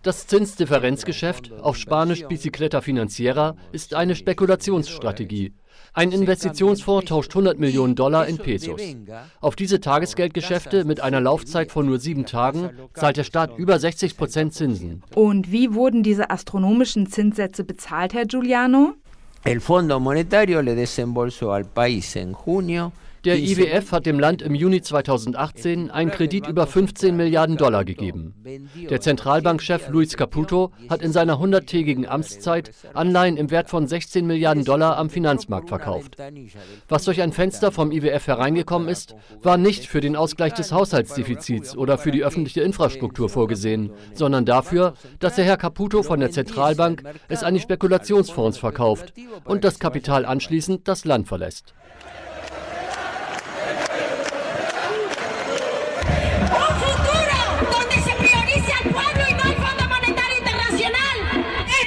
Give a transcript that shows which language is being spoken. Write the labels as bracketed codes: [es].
[de] Das Zinsdifferenzgeschäft, auf Spanisch Bicicleta Financiera, ist eine Spekulationsstrategie. Ein Investitionsfonds tauscht 100 Millionen Dollar in Pesos. Auf diese Tagesgeldgeschäfte mit einer Laufzeit von nur 7 Tagen zahlt der Staat über 60% Zinsen. Und wie wurden diese astronomischen Zinssätze bezahlt, Herr Giuliano? [es] El Fondo Monetario le desembolsó al país en junio. [de] Der IWF hat dem Land im Juni 2018 einen Kredit über 15 Milliarden Dollar gegeben. Der Zentralbankchef Luis Caputo hat in seiner 100-tägigen Amtszeit Anleihen im Wert von 16 Milliarden Dollar am Finanzmarkt verkauft. Was durch ein Fenster vom IWF hereingekommen ist, war nicht für den Ausgleich des Haushaltsdefizits oder für die öffentliche Infrastruktur vorgesehen, sondern dafür, dass der Herr Caputo von der Zentralbank es an die Spekulationsfonds verkauft und das Kapital anschließend das Land verlässt. [es] Un futuro donde se priorice al pueblo y no al Fondo Monetario Internacional.